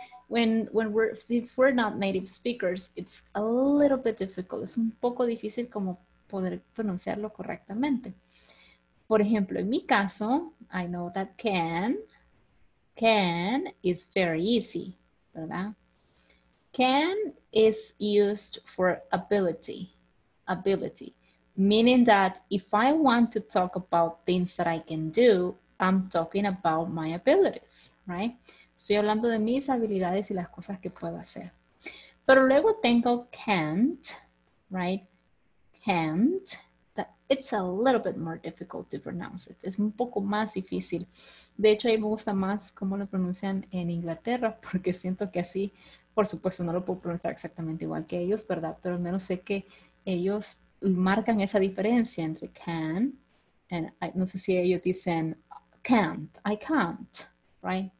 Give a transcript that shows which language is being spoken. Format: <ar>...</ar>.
<es>Entonces,</es> <en>since we're not native speakers, it's a little bit difficult.</en> <es>Es un poco difícil como poder pronunciarlo correctamente. Por ejemplo, en mi caso,</es> <en>I know that can is very easy, ¿verdad? Can is used for ability, meaning that if I want to talk about things that I can do, I'm talking about my abilities, right?</en> <es>Estoy hablando de mis habilidades y las cosas que puedo hacer. Pero luego tengo can't, right? Can't.</es> <en>That it's a little bit more difficult to pronounce it.</en> <es>Es un poco más difícil. De hecho, ahí me gusta más cómo lo pronuncian en Inglaterra, porque siento que así, por supuesto, no lo puedo pronunciar exactamente igual que ellos, ¿verdad? Pero al menos sé que ellos marcan esa diferencia entre can, and I, no sé si ellos dicen can't,</es> <en>I can't, right?</en>